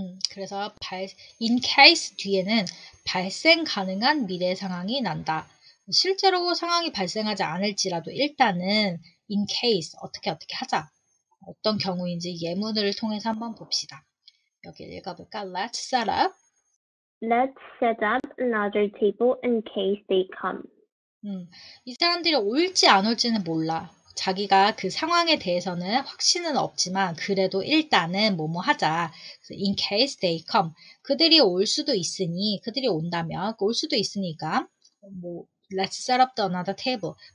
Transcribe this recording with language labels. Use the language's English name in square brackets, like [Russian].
[Korean] 그래서 in case 뒤에는 발생 가능한 미래 상황이 난다. 실제로 상황이 발생하지 않을지라도 일단은 in case 어떻게 어떻게 하자. 어떤 경우인지 예문을 통해서 한번 봅시다. 여기 읽어볼까? [English] Let's set up. Let's set up another table in case they come. [Korean] 이 사람들이 올지 안 올지는 몰라. 자기가 그 상황에 대해서는 확신은 없지만 그래도 일단은 뭐뭐 하자. [English] In case they come. [Korean] 그들이 올 수도 있으니 그들이 온다면 올 수도 있으니까 뭐 [English] Let's set up another table.